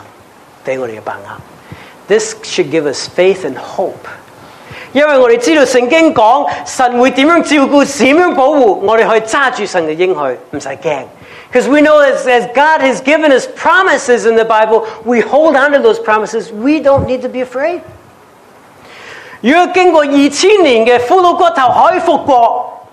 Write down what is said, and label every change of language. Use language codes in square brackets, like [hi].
[zh] 这个可以给我们有信心,给我们有把握。 [en] This should give us faith and hope. [zh] 因为我们知道圣经说,神会怎样照顾,怎样保护,我们可以抓住神的应许,不用怕。 [en] Because we know as God has given us promises in the Bible, we hold on to those promises, we don't need to be afraid. [zh] 如果经过2000年的俘虏骨头可以复活,